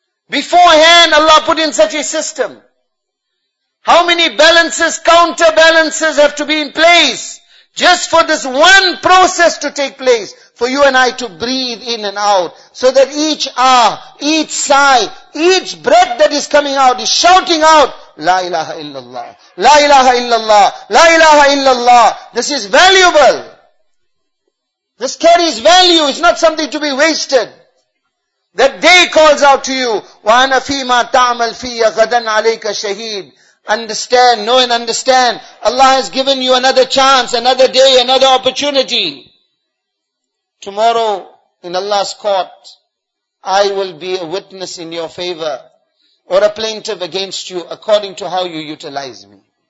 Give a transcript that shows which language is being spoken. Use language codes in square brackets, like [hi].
[en] Beforehand, Allah put in such a system. How many balances, counterbalances have to be in place just for this one process to take place, for you and I to breathe in and out, so that each ah, each sigh, each breath that is coming out is shouting out, La ilaha illallah, La ilaha illallah, La ilaha illallah. This is valuable. This carries value. It's not something to be wasted. That day calls out to you, [ar] وَأَنَا فِي مَا تَعْمَلْ فِيَّ غَدًا عَلَيْكَ شَهِيدٌ. [en] Understand, know and understand, Allah has given you another chance, another day, another opportunity. Tomorrow, in Allah's court, I will be a witness in your favor, or a plaintiff against you, according to how you utilize me.